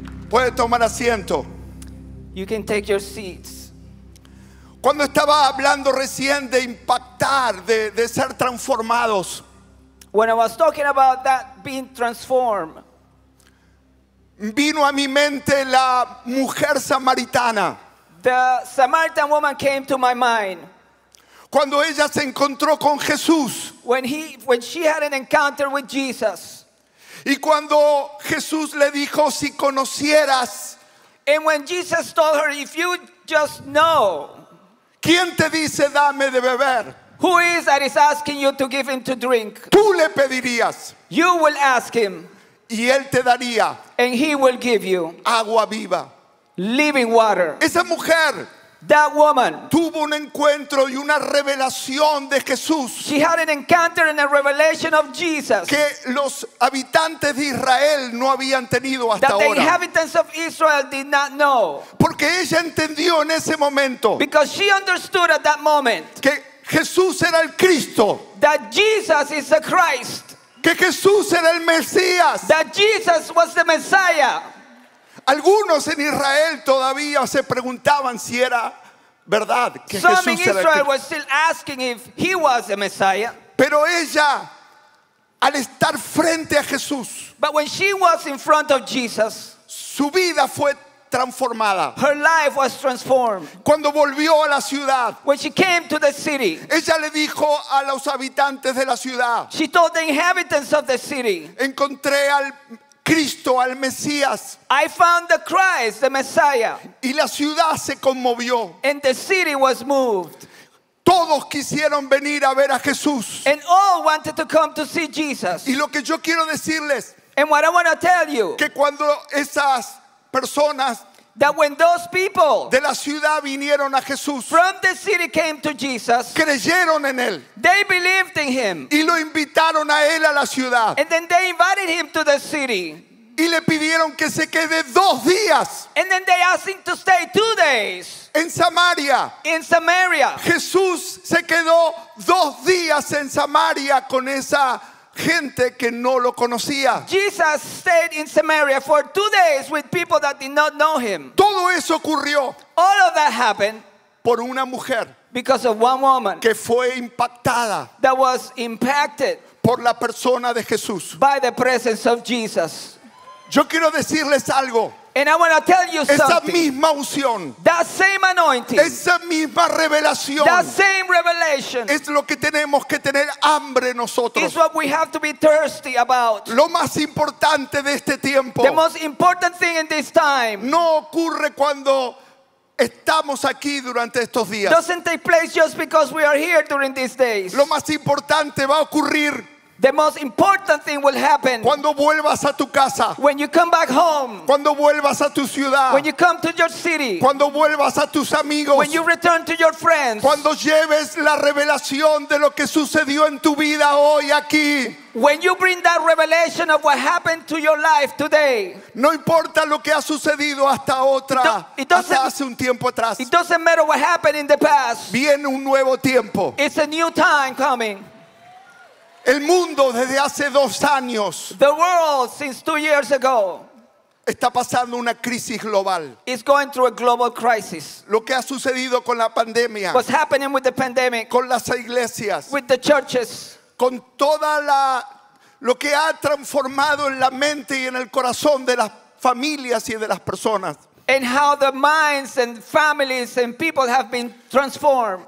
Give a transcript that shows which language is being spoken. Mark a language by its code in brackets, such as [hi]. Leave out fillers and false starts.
[es] Puede tomar asiento. [en] You can take your seats. [es] Cuando estaba hablando recién de impactar, de ser transformados. [en] When I was talking about that being transformed. [es] Vino a mi mente la mujer samaritana. [en] The Samaritan woman came to my mind. [es] Cuando ella se encontró con Jesús. [en] When she had an encounter with Jesus. [es] Y cuando Jesús le dijo, si conocieras. [en] And when Jesus told her, if you just know. [es] ¿Quién te dice dame de beber? [en] Who is that is asking you to give him to drink? [es] Tú le pedirías. [en] You will ask him. [es] Y él te daría. [en] And he will give you. [es] Agua viva. [en] Living water. [es] Esa mujer. [en] That woman [es] tuvo un encuentro y una revelación de Jesús. [en] She had an encounter and a revelation of Jesus [es] que los habitantes de Israel no habían tenido hasta ahora. [en] That the inhabitants of Israel did not know. [es] Porque ella entendió en ese momento. [en] Because she understood at that moment [es] que Jesús era el Cristo. [en] That Jesus is the Christ. [es] Que Jesús era el Mesías. [en] That Jesus was the Messiah. [es] Algunos en Israel todavía se preguntaban si era verdad que [en] Some in Israel [es] era [en] was still asking if he was the Messiah. [es] Pero ella, al estar frente a Jesús, [en] but when she was in front of Jesus, [es] su vida fue transformada. [en] Her life was transformed. [es] Cuando volvió a la ciudad, [en] when she came to the city, [es] ella le dijo a los habitantes de la ciudad, [en] she told the inhabitants of the city, [es] encontré al Cristo, al Mesías. [en] I found the Christ, the Messiah. [es] Y la ciudad se conmovió. [en] And the city was moved. [es] Todos quisieron venir a ver a Jesús. [en] And all wanted to come to see Jesus. [es] Y lo que yo quiero decirles, [en] and what I want to tell you, [es] que cuando esas personas, [en] that when those people [es] de la ciudad vinieron a Jesús, [en] from the city came to Jesus, [es] creyeron en él, [en] they believed in him, [es] y lo invitaron a él a la ciudad, [en] and then they invited him to the city, [es] y le pidieron que se quede dos días, [en] and then they asked him to stay 2 days [es] en Samaria. [en] In Samaria, [es] Jesús se quedó dos días en Samaria con esa gente que no lo conocía. [en] Jesus stayed in Samaria for 2 days with people that did not know him. [es] Todo eso ocurrió. [en] All of that happened [es] por una mujer. [en] Because of one woman. [es] Que fue impactada. [en] That was impacted [es] por la persona de Jesús. [en] By the presence of Jesus. [es] Yo quiero decirles algo. [en] And I want to tell you [es] esa [en] something. [es] Misma unción, [en] that same anointing. [es] Esa misma revelación, [en] that same revelation. [es] Es lo que tenemos que tener hambre nosotros. [en] Is what we have to be thirsty about. [es] Lo más importante de este tiempo, [en] the most important thing in this time. [es] No ocurre cuando estamos aquí durante estos días. [en] Doesn't take place just because we are here during these days. [es] Lo más importante va a ocurrir. [en] The most important thing will happen. [es] Cuando vuelvas a tu casa. [en] When you come back home. [es] Cuando vuelvas a tu ciudad. [en] When you come to your city. [es] Cuando vuelvas a tus amigos. [en] When you return to your friends. [es] Cuando lleves la revelación de lo que sucedió en tu vida hoy aquí. [en] When you bring that revelation of what happened to your life today. [es] No importa lo que ha sucedido hasta otra, hasta hace un tiempo atrás. [en] It doesn't matter what happened in the past. [es] Viene un nuevo tiempo. [en] It's a new time coming. [es] El mundo desde hace 2 años. [en] The world since 2 years ago. [es] Está pasando una crisis global. [en] It's going through a global crisis. [es] Lo que ha sucedido con la pandemia. [en] What's happening with the pandemic. [es] Con las iglesias. [en] With the churches. [es] Con toda la lo que ha transformado en la mente y en el corazón de las familias y de las personas. [en] And how the minds and families and people have been transformed.